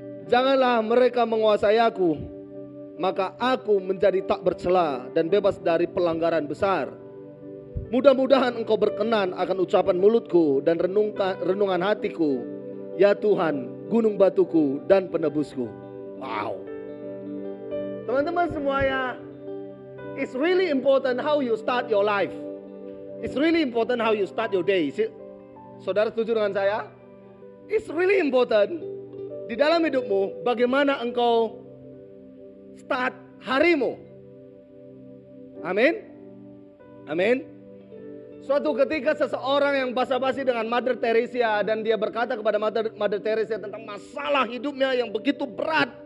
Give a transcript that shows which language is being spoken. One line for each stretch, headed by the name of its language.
Indonesian: Janganlah mereka menguasai aku. Maka aku menjadi tak bercela dan bebas dari pelanggaran besar. Mudah-mudahan engkau berkenan akan ucapan mulutku dan renungan hatiku. Ya Tuhan, gunung batuku dan penebusku. Wow. Teman-teman semuanya,
English: it's really important how you start your life. It's really important how you start your day.
Indonesian: Saudara setuju dengan saya?
English: It's really important
Indonesian: di dalam hidupmu bagaimana engkau start harimu. Amin. Amin. Suatu ketika seseorang yang basa-basi dengan Mother Teresa dan dia berkata kepada Mother Teresa tentang masalah hidupnya yang begitu berat.